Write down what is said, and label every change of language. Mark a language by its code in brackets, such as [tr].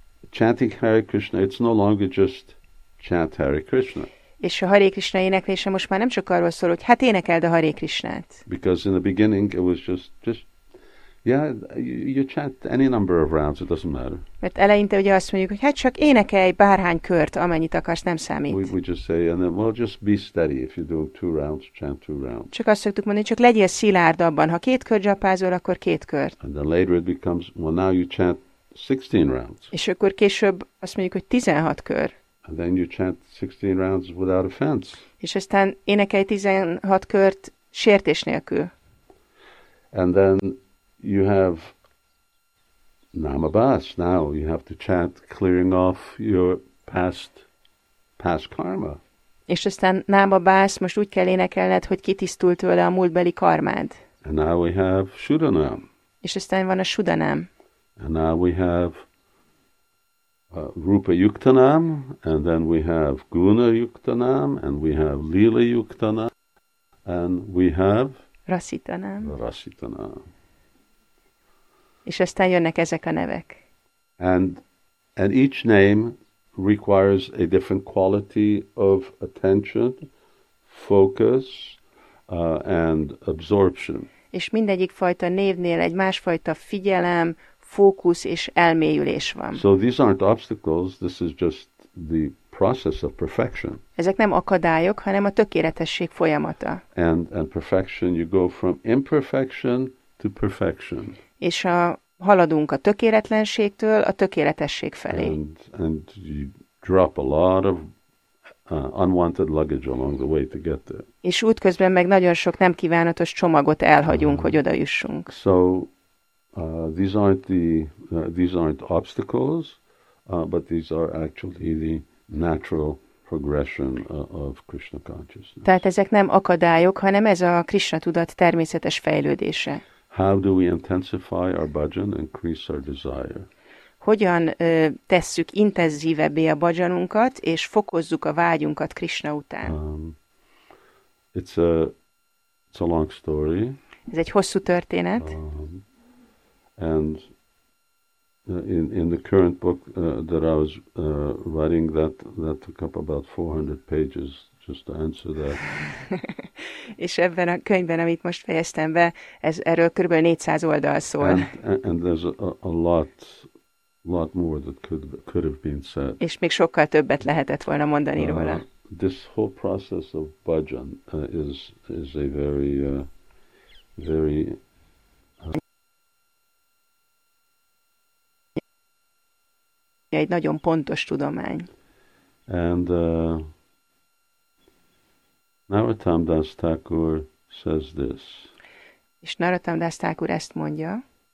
[en] Chanting Hare Krishna, it's no longer just chant Hare Krishna. [hu] És a Hare Krishna éneklése most már nem csak arról szól, hogy hát énekeld a Hare Krishnát. [en] Because in the beginning it was just yeah, you chant any number of rounds, it doesn't matter. [hu] Mert eleinte ugye azt mondjuk, hogy hát csak énekelj bárhány kört, amennyit akarsz, nem számít. [en] We just say, and then, well, just be steady if you do two rounds, chant two rounds. [hu] Csak azt szoktuk mondani, csak legyél szilárd abban, ha két kört japázol, akkor két kört. [en] And then later it becomes, well, now you chant 16 rounds. [hu] És akkor később azt mondjuk, hogy 16 kör. [en] And then you chant 16 rounds without offense. [hu] És aztán énekelj 16 kört sértés nélkül. [en] And then you have namabas. Now you have to chant clearing off your past karma. [hu] És aztán namabas, most úgy kell énekelned, hogy kitisztult tőle a múltbeli karmád. [en] And now we have shudanam. [hu] És aztán van a shudanam. [en] And now we have Rupa Yuktanam, and then we have Guna Yuktanam, and we have Lila Yuktanam, and we have Rasitanam. [hu] És aztán jönnek ezek a nevek. [en] And each name requires a different quality of attention, focus, and absorption. [hu] És mindegyik fajta névnél egy másfajta figyelem, fókusz és elmélyülés van. [en] So these aren't obstacles, this is just the process of perfection. [hu] Ezek nem akadályok, hanem a tökéletesség folyamata. [en] And perfection, you go from imperfection to perfection. [hu] És a haladunk a tökéletlenségtől a tökéletesség felé. [en] And you drop a lot of unwanted luggage along the way to get there. [hu] És útközben meg nagyon sok nem kívánatos csomagot elhagyunk, hogy oda jussunk. [en] So these aren't obstacles, but these are actually the natural progression of Krishna consciousness. [hu] Tehát ezek nem akadályok, hanem ez a Krishna tudat természetes fejlődése. [en] How do we intensify our bhajan, increase our desire? [hu] Hogyan tesszük intenzívebbé a bhajanunkat, és fokozzuk a vágyunkat Krishna után? [en] It's a long story. [hu] Ez egy hosszú történet. [en] And in the current book that I was writing, that took up about 400 pages. Just to answer that. [hu] És ebben a könyvben, amit most fejeztem be, ez erről körülbelül 400 oldal szól. [en] And there's a lot more that could have been said. [hu] És még sokkal többet lehetett volna mondani róla. [en] This whole process of bhajan is a very very [hu] egy nagyon pontos tudomány. [en] And Narottam Das Thakur says this. [hu] És Narottam Das Thakur ezt mondja.